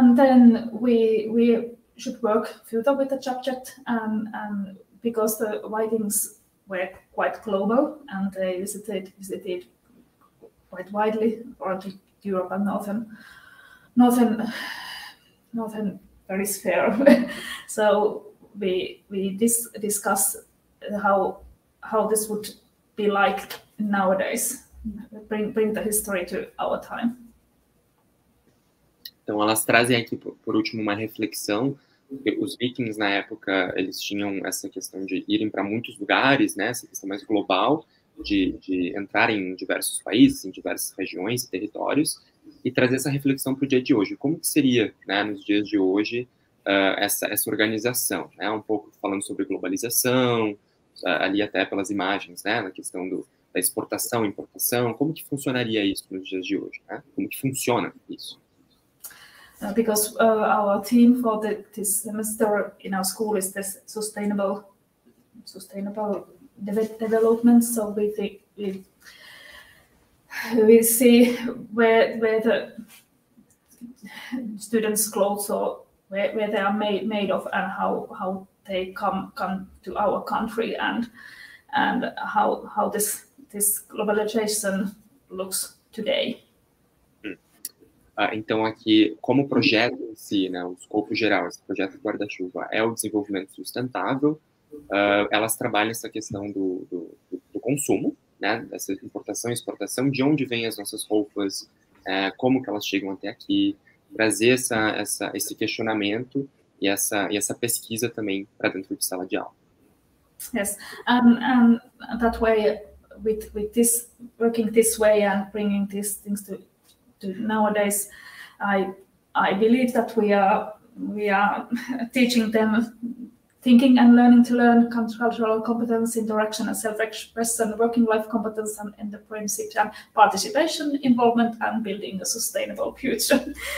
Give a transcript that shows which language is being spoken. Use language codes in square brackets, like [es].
[en] And then we should work further with the subject and because the Vikings were quite global and they visited quite widely around Europe and northern hemisphere. So we discuss how this would be like nowadays, bring the history to our time. [pt] Então elas trazem aqui por último uma reflexão. Os vikings, na época, eles tinham essa questão de irem para muitos lugares, né? Essa questão mais global, de entrar em diversos países, em diversas regiões e territórios, e trazer essa reflexão para o dia de hoje. Como que seria, né, nos dias de hoje, essa organização? Né? Um pouco falando sobre globalização, ali até pelas imagens, né? Na questão da exportação e importação, como que funcionaria isso nos dias de hoje? Né? Como que funciona isso? [en] Because our theme for this semester in our school is this sustainable development. So we think we see where the students' clothes or where they are made of and how they come to our country and how this globalization looks today. [pt] Então, aqui, como projeto em si, né, o escopo geral, esse projeto guarda-chuva, é o desenvolvimento sustentável, elas trabalham essa questão do consumo, né, dessa importação e exportação, de onde vêm as nossas roupas, como que elas chegam até aqui, trazer esse questionamento e essa pesquisa também para dentro de sala de aula. [en] Yes, that way, with this, working this way and bringing these things nowadays, I believe that we are teaching them thinking and learning to learn, cultural competence, interaction and self-expression, working life competence and entrepreneurship and participation, involvement and building a sustainable future.